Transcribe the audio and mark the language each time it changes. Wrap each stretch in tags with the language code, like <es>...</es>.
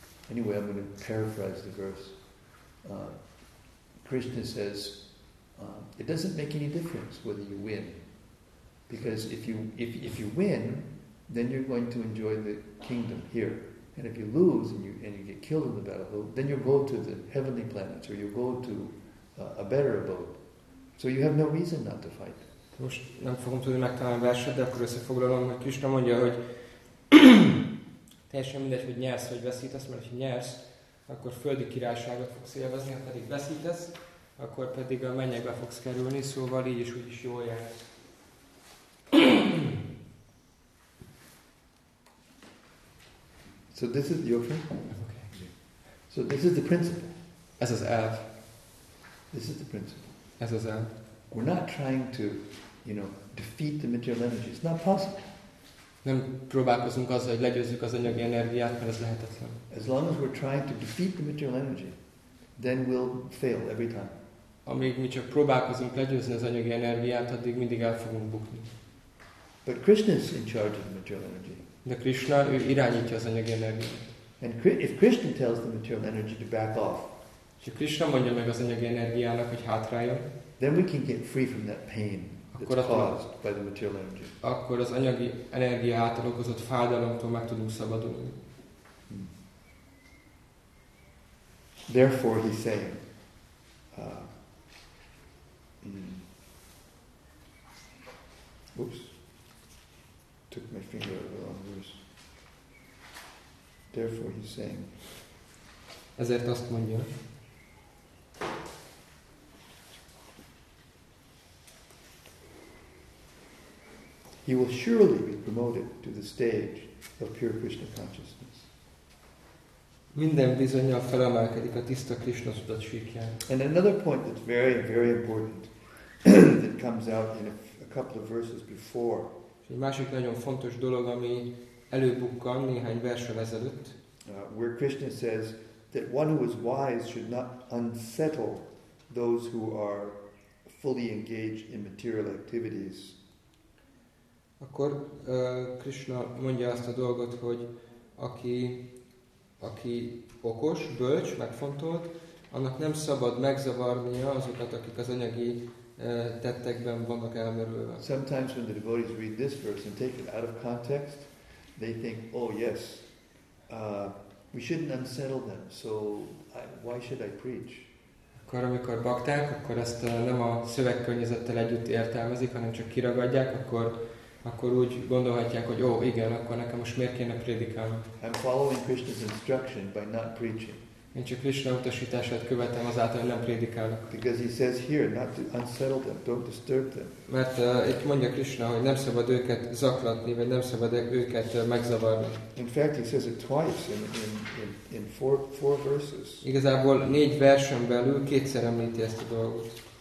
<en>Anyway, I'm going to paraphrase the verse. Krishna says, it doesn't make any difference whether you win. Because if you win, then you're going to enjoy the kingdom here. And if you lose and you get killed in the battle, then you'll go to the heavenly planets or you'll go to a better abode. So you have no reason not to fight.</en> <hu>Most nem fogom tudni megtalálni a verset, de akkor összefoglalom, hogy Krishna mondja, hogy teljesen mindegy, hogy nyersz vagy veszítesz, mert ha nyersz, akkor földi királyságot fogsz élvezni, ha pedig veszítesz, akkor pedig a mennyekbe fogsz kerülni, szóval így is úgy is jól jársz.</hu> <en>So this is your friend. Okay. So this is the principle.</en> <hu>Ez az elv.</hu> <en>This is the principle.</en> <hu>Ez az elv.</hu> <en>We're not trying to, you know, defeat the material energy. It's not possible.</en> <hu>Nem próbálkozunk azzal, hogy legyőzzük az anyagi energiát, mert ez lehetetlen.</hu> <en>As long as we're trying to defeat the material energy, then we'll fail every time.</en> <hu>Amíg mi csak próbálkozunk legyőzni az anyagi energiát, addig mindig el fogunk bukni.</hu> <en>But Krishna is in charge of the material energy.</en> <hu>De Krishna, ő irányítja az anyagi energiát.</hu> <en>And if Krishna tells the material energy to back off,</en> <hu>ha Krishna mondja meg az anyagi energiának, hogy hátráljon,</hu> <en>then we can get free from that pain that's caused by the material energy.</en> <hu>Akkor az anyagi energia által okozott fájdalomtól meg tudunk szabadulni.</hu> <en>Therefore, he's saying, oops, took my finger out of the wrong verse. Therefore, he's saying,</en> <hu>ezért azt mondja,</hu> <en>he will surely be promoted to the stage of pure Krishna consciousness.</en> <hu>Minden bizonnyal felemelkedik a tiszta Krishna tudatsíkján.</hu> <en>And another point that's very, very important that comes out in a couple of verses before.</en> <hu>Egy másik nagyon fontos dolog, ami előbukkan néhány verssel ezelőtt.</hu> <en>Where Krishna says that one who is wise should not unsettle those who are fully engaged in material activities.</en> <hu>Akkor Krishna mondja azt a dolgot, hogy aki okos, bölcs, megfontolt, annak nem szabad megzavarnia azokat, akik az anyagi tettekben vannak elmerülve.</hu> <en>Sometimes when the devotees read this verse and take it out of context, they think, oh yes, we shouldn't unsettle them, so why should I preach?</en> <hu>Akkor amikor bakták, akkor ezt nem a szövegkörnyezettel együtt értelmezik, hanem csak kiragadják, akkor úgy gondolhatják, hogy ó, igen, akkor nekem most miért kéne prédikálni?</hu> <en>I'm following Krishna's instruction by not preaching.</en> <hu>Én csak Krishna utasítását követem azáltal, hogy nem prédikálok.</hu> <en>Because he says here not to unsettle them, don't disturb them.</en> <hu>Mert itt mondja Krishna, hogy nem szabad őket zaklatni, vagy nem szabad őket megzavarni.</hu> <en>In fact, he says it twice in four verses.</en> <hu>Igazából négy versen belül kétszer említi ezt a dolgot.</hu>